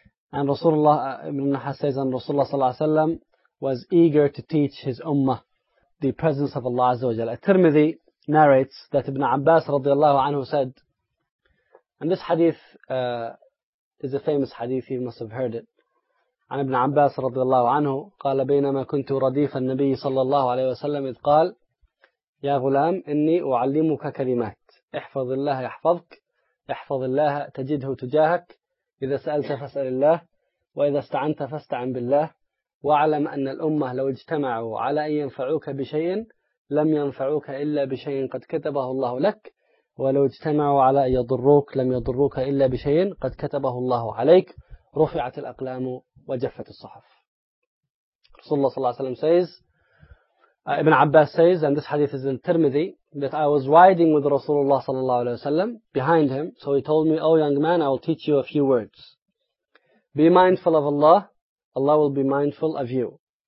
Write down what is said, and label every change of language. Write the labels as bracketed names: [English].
[English] And Rasulullah ibn Nahas says, and Rasulullah sallallahu alayhi wa sallam was eager to teach his ummah the presence of Allah Azza wa Jalla. At Tirmidhi, narrates that Ibn Abbas radiallahu anhu said, and this hadith is a famous hadith, you must have heard it. [Arabic] عن ابن عباس رضي الله عنه قال بينما كنت رديف النبي صلى الله عليه وسلم إذ قال يا غلام إني أعلمك كلمات احفظ الله يحفظك احفظ الله تجده تجاهك إذا سألت فاسأل الله وإذا استعنت فاستعن بالله واعلم أن الأمة لو اجتمعوا على أن ينفعوك بشيء لم ينفعوك إلا بشيء قد كتبه الله لك ولو اجتمعوا على أن يضروك لم يضروك إلا بشيء قد كتبه الله عليك رفعت الأقلام وجفت الصحف. [English] رسول الله صلى الله عليه وسلم says, Ibn Abbas says, and this hadith is in Tirmidhi, that I was riding with Rasulullah صلى الله عليه وسلم behind him, so he told me, oh young man, I will teach you a few words. Be mindful of Allah, Allah will be mindful of you.